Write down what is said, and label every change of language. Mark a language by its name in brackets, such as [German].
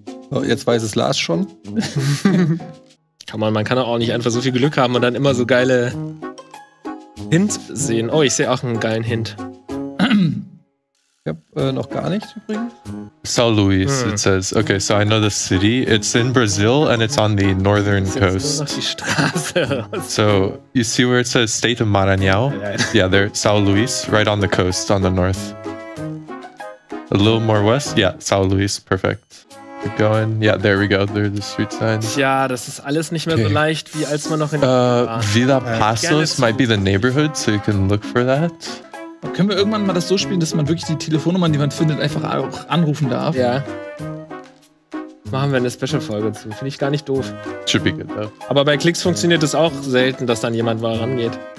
[German] Oh, jetzt weiß es Lars schon. Komm mal, man kann auch nicht einfach so viel Glück haben und dann immer so geile Hint sehen. Oh, ich sehe auch einen geilen Hint. Ich habe noch gar nichts übrigens. [English] São Luís, it says. Okay, so I know the city. It's in Brazil and it's on the northern coast. [German] Jetzt nur noch die Straße. [English] So you see where it says State of Maranhão? Yeah, there, São Luís, right on the coast, on the north. A little more west? Yeah, São Luís, perfect. Keep going. Yeah, there we go. There are the street signs. [German] Ja, das ist alles nicht mehr okay. So leicht, wie als man noch in [English] der Vila Passos might be the neighborhood, so you can look for that. [German] Können wir irgendwann mal das so spielen, dass man wirklich die Telefonnummern, die man findet, einfach auch anrufen darf? Ja. Machen wir eine Special-Folge zu. Finde ich gar nicht doof. [English] Should be good, though. [German] Aber bei Klicks funktioniert es auch selten, dass dann jemand mal rangeht.